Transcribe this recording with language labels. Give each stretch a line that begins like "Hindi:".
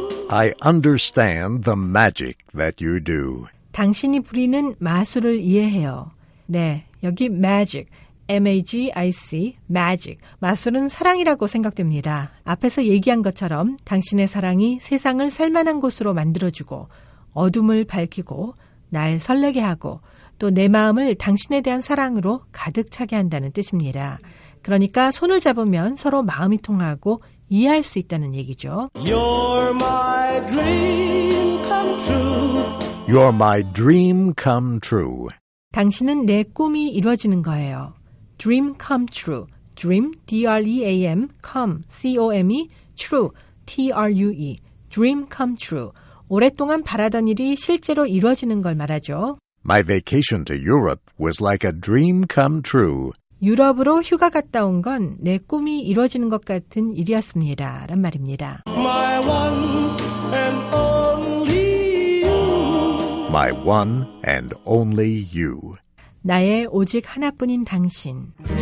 English: I understand the magic that you do.
Korean: 당신이 부리는 마술을 이해해요. 네, 여기 magic, M-A-G-I-C, magic. 마술은 사랑이라고 생각됩니다. 앞에서 얘기한 것처럼 당신의 사랑이 세상을 살만한 곳으로 만들어주고 어둠을 밝히고 날 설레게 하고 또 내 마음을 당신에 대한 사랑으로 가득 차게 한다는 뜻입니다. 그러니까 손을 잡으면 서로 마음이 통하고 이해할 수 있다는 얘기죠.
English: You're my dream come true. You're my dream come true.
Korean: 당신은 내 꿈이 이루어지는 거예요.
English: Dream come true. Dream, D-R-E-A-M, come, C-O-M-E, true, T-R-U-E. Dream come true.
Korean: 오랫동안 바라던 일이 실제로 이루어지는 걸 말하죠.
English: My vacation to Europe was like a dream come true.
Korean: 유럽으로 휴가 갔다 온 건 내 꿈이 이루어지는 것 같은 일이었습니다. 라는 말입니다.
English: My one and only you. My one and only you.
Korean: 나의 오직 하나뿐인 당신.